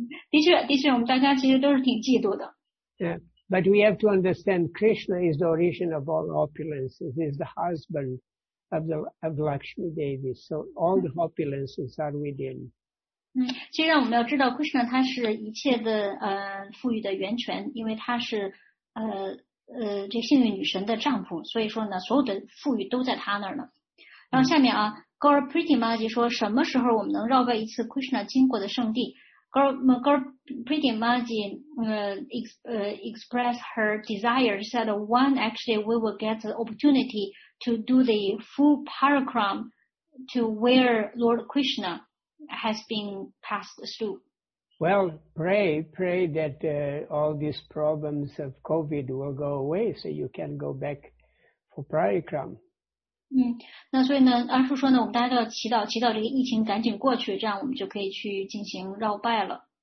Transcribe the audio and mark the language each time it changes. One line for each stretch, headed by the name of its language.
Chinese: 的确，的确，我们大家其实都是挺嫉妒的。
English: But we have to understand Krishna is the origin of all opulence. He is the husband of Lakshmi Devi. So all the opulences are within.
Chinese: 其实让我们要知道 Krishna 他是一切的赋予的源泉，因为他是这幸运女神的丈夫，所以说呢所有的赋予都在他那儿呢。然后下面啊 Gaur Priti Maji 说，什么时候我们能绕过一次 Krishna 经过的圣地？
English: Gaur Priti Maji express her desire, she said, one, actually, we will get the opportunity to do the full parakram to where Lord Krishna has been passed through. Well, pray that all these problems of COVID will go away so you can go back for parakram.
Chinese: 那所以呢安叔说呢我们大家都要祈祷这个疫情赶紧过去，这样我们就可以去进行绕拜了。